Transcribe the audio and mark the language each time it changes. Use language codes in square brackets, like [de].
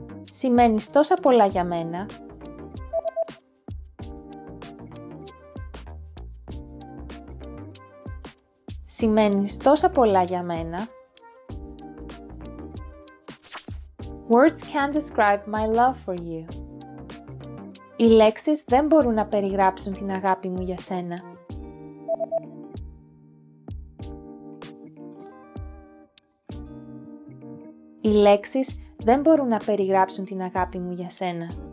[el] Σημαίνεις τόσα πολλά για μένα. Σημαίνεις τόσα πολλά για μένα. [en] Words can't describe my love for you. [el] Οι λέξεις δεν μπορούν να περιγράψουν την αγάπη μου για σένα. Οι λέξεις δεν μπορούν να περιγράψουν την αγάπη μου για σένα.